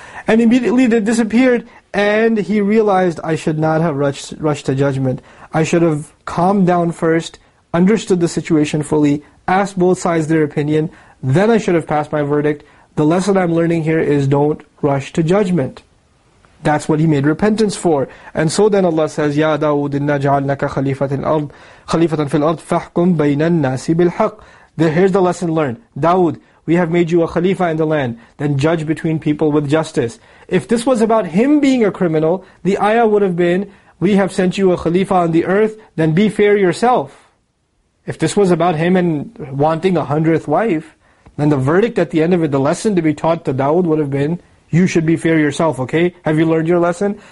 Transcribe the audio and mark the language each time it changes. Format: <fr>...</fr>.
<en>And immediately they disappeared and he realized, I should not have rushed to judgment. I should have calmed down first, understood the situation fully, asked both sides their opinion, then I should have passed my verdict. The lesson I'm learning here is don't rush to judgment. That's what he made repentance for. And so then Allah says,</en> <ar>يَا دَاوُدِ إِنَّا جَعَلْنَكَ خَلِيفَةً فِي الْأَرْضِ فَحْكُمْ بَيْنَ النَّاسِ بِالْحَقِّ.</ar> <en>Here's the lesson learned. Dawood, we have made you a khalifa in the land, then judge between people with justice. If this was about him being a criminal, the ayah would have been, we have sent you a khalifa on the earth, then be fair yourself. If this was about him and wanting 100th wife, then the verdict at the end of it, the lesson to be taught to Dawood would have been, you should be fair yourself, okay? Have you learned your lesson?</en>